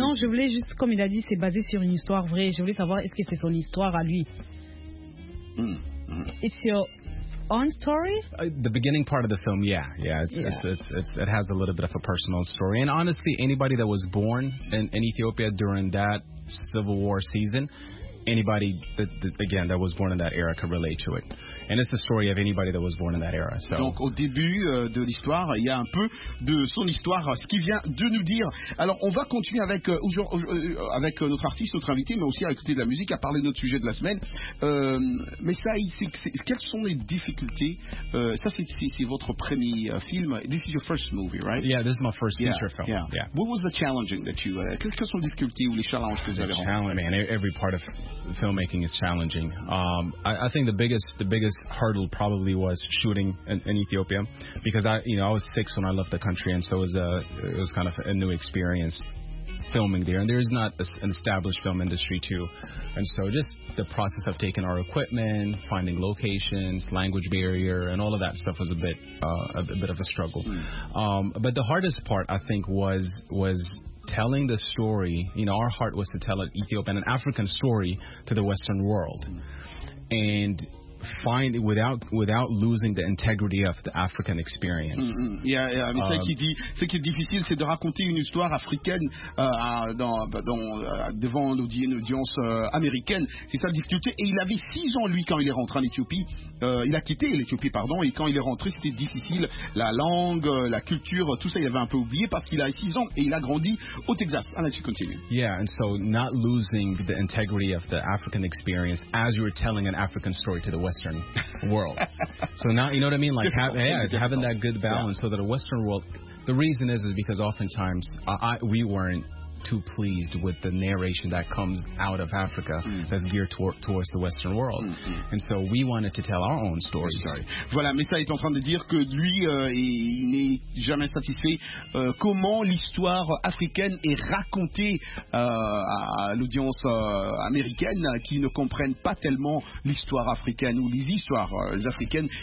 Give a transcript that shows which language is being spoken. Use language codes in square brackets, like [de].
[fr] Non, je voulais juste, comme il a dit, c'est basé sur une histoire vraie. Je voulais savoir, est-ce que c'est son histoire à lui? [en] It's your own story? The beginning part of the film, it has a little bit of a personal story. And honestly, anybody that was born in Ethiopia during that civil war season, anybody that again that was born in that era could relate to it. And it's the story of anybody that was born in that era. So. [fr] Donc au début de l'histoire, il y a un peu de son histoire, ce qu'il vient de nous dire. Alors on va continuer avec notre artiste, notre invité, mais aussi à écouter de la musique, à parler de notre sujet de la semaine. Mais ça, quelles sont les difficultés? Ça c'est votre premier film. [en] This is your first movie, right? Yeah, this is my first feature film. Yeah. Yeah. What was the challenging that you? [fr] Quelles sont les difficultés ou les challenges que vous avez rencontrés? [en] Challenge, man. Every part of filmmaking is challenging. I think the biggest hurdle probably was shooting in Ethiopia, because I was 6 when I left the country, and so it was kind of a new experience filming there, and there is not an established film industry too, and so just the process of taking our equipment, finding locations, language barrier, and all of that stuff was a bit of a struggle. But the hardest part, I think, was telling the story. You know, our heart was to tell an Ethiopian, an African story to the Western world, and find it without losing the integrity of the African experience. [fr] Ce qui est difficile, c'est de raconter une histoire africaine devant l'audience américaine. C'est ça la difficulté. Et il avait 6 ans, lui, quand il est rentré en Éthiopie. Il a quitté l'Éthiopie, pardon, et quand il est rentré, c'était difficile. La langue, la culture, tout ça, il avait un peu oublié parce qu'il a 6 ans et il a grandi au Texas. [en] I'll let you continue. Yeah, and so not losing the integrity of the African experience as you're telling an African story to the Western world. So now, you know what I mean? Like, having that good balance, yeah. So that a Western world, the reason is because oftentimes we weren't too pleased with the narration that comes out of Africa that's geared towards the Western world. And so we wanted to tell our own story. Sorry. [fr] Voilà, mais ça est en train de dire que lui, il n'est jamais satisfait comment l'histoire africaine est racontée à l'audience américaine qui ne comprennent pas tellement l'histoire africaine ou les histoires africaines.